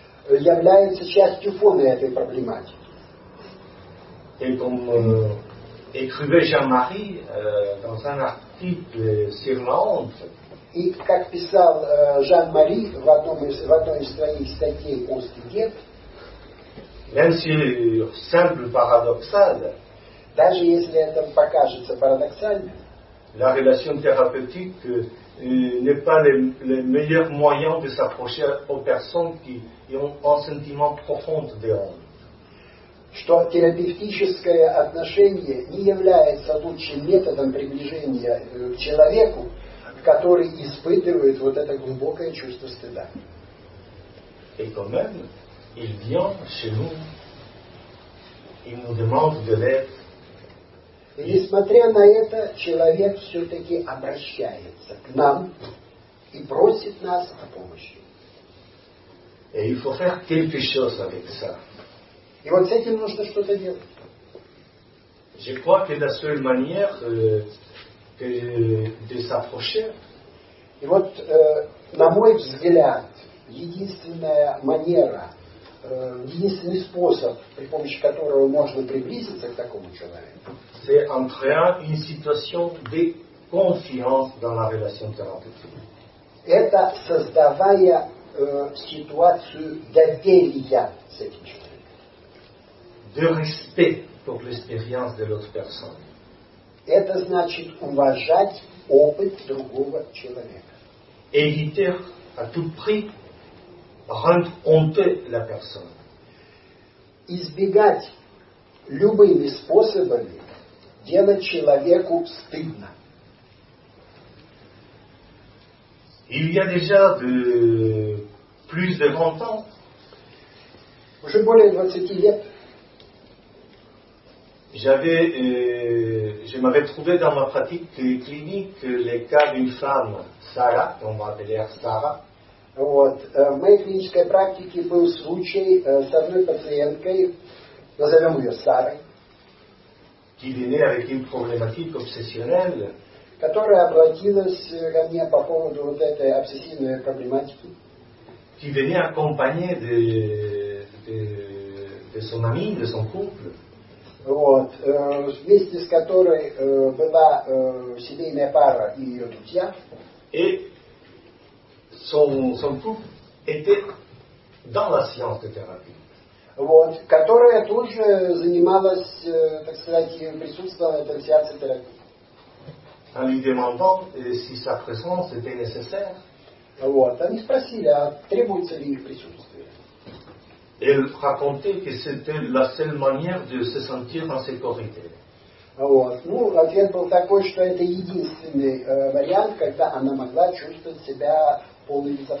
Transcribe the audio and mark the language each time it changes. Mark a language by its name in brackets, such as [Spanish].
[Russian] Является частью фона этой проблематики. [French] Et comme écrivait Jean-Marie dans un article sur la honte. [Russian] Et как писал Жан-Мари в одной из своих статей о стыде. [French] Même si simple paradoxal. [Russian] Даже если это покажется парадоксальным. [French] La relation thérapeutique n'est pas le meilleur moyen de s'approcher aux personnes qui ont un sentiment profond de honte. [Russian] Что терапевтическое отношение не является лучшим методом приближения к человеку, который испытывает вот это глубокое чувство стыда. [French] Et quand même, il vient chez nous, il nous demande de l'aide. [Russian] И несмотря на это, человек все-таки обращается к нам и просит нас о помощи. [French] Et il faut faire quelque chose avec ça. [Russian] И вот с этим нужно что-то делать. [French] Je crois que la seule manière de s'approcher. [Russian] И вот, на мой взгляд, единственная манера, единственный способ, при помощи которого можно приблизиться к такому человеку, [French] c'est en créant une situation de confiance dans la relation thérapeutique. [Russian] Это создавая ситуацию доверия с этим человеком. [French] De respect pour l'expérience de l'autre personne. [Russian] Это значит уважать опыт другого человека. [French] Éviter à tout prix rendre honteux la personne. [Russian] Избегать любыми способами делать человеку стыдно. [French] Il y a déjà de plus de 20 ans. [Russian] Уже более 20 лет. [French] J'avais, je m'avais trouvé dans ma pratique clinique les cas d'une femme, Sarah, on va appeler Sarah. [Russian] Вот. В моей клинической практике был случай с одной пациенткой, назовем ее Сарой, [French] qui venait avec une problématique obsessionnelle, [Russian] которая обратилась ко мне по поводу вот этой обсессивной проблематики, [French] qui venait accompagnée de son ami, de son couple, [Russian] вот, вместе с которой была семейная пара и ее друзья. [French] Et son couple était dans la science de thérapie. [Russian] Вот, которая тут же занималась, так сказать, присутствовала в сеансе терапии. [French] En lui demandant si sa présence était nécessaire. [Russian] Вот, они спросили, а требуется ли их присутствие. [French] Elle racontait que c'était la seule manière de se sentir en sécurité. [Russian] Вот. Ну, ответ был такой, что это единственный вариант, когда она могла чувствовать себя в полной